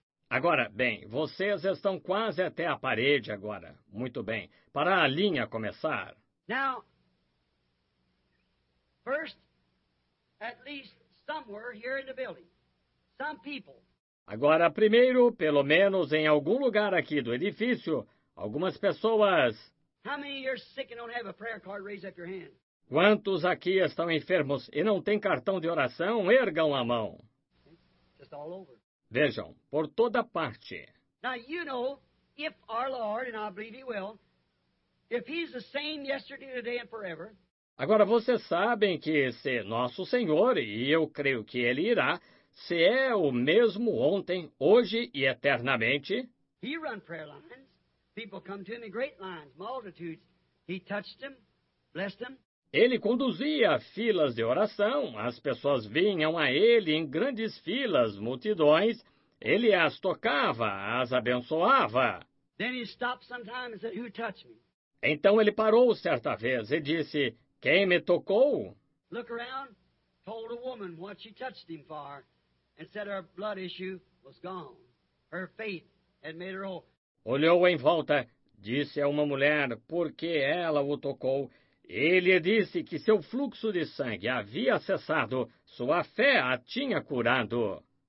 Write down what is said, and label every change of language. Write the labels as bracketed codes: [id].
[pt] Agora, bem, vocês estão quase até a parede agora. Muito bem. Para a linha começar. [en] Now, first, at least somewhere here in the building, some people. [pt] Agora, primeiro, pelo menos em algum lugar aqui do edifício, algumas pessoas. [en] How many are sick and don't have a prayer card? Raise up your hand. [pt] Quantos aqui estão enfermos e não têm cartão de oração? Ergam a mão. [en] Just all over. [pt] Vejam, por toda parte. [en] Now, you know, if our Lord, and I believe he will, if he's the same yesterday, today and forever. [pt] Agora, vocês sabem que se nosso Senhor, e eu creio que Ele irá, se é o mesmo ontem, hoje e eternamente. [en] He run prayer lines. People come to him in great lines, multitudes. He touched them, blessed them. [pt] Ele conduzia filas de oração, as pessoas vinham a ele em grandes filas, multidões, ele as tocava, as abençoava. [en] Then he stopped sometimes and said, "Who touched me?" [pt] Então ele parou certa vez e disse, "Quem me tocou?" [en] Look around, told a woman what she touched him for, and said her blood issue was gone. Her faith had made her whole. [pt] Olhou em volta, disse a uma mulher por que ela o tocou. Ele disse que seu fluxo de sangue havia cessado, sua fé a tinha curado.